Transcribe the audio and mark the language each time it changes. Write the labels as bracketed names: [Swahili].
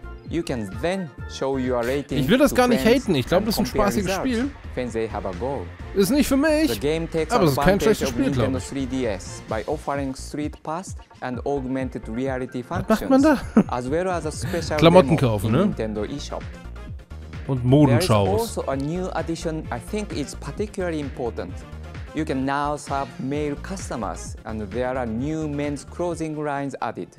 [English] You can then show your rating. [German] Ich will das gar nicht haten. Ich glaube, das ist ein spaßiges Spiel. Ist nicht für mich. Aber es ist kein schlechtes Spiel, glaube ich. [English] By offering street pass and augmented reality functions. [German] Was macht man da? [English] As well as a special [German] Klamotten kaufen, [English] in [German] ne? [English] Nintendo eShop. [German] Und Modenschaus. [English] There is also a new addition. I think it's particularly important. You can now serve male customers and there are new men's clothing lines added.